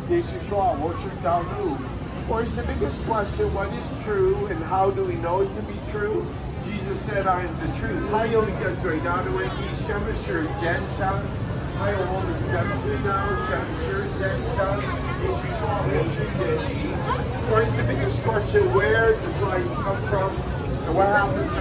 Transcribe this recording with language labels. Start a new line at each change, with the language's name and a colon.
Chinese: 这是一个最大的问题，为什么我们在这里，还有我们应该怎样生活？也是说，我是道路。
English: Or is the biggest question, what is true and how do we know it to be true? Jesus said, I am the truth.
Chinese: 还有一个最大的问题，什么是真相？还有我们怎么知道什么是真相？也是说，我是真理。
English: Or is the biggest question, where does life come from?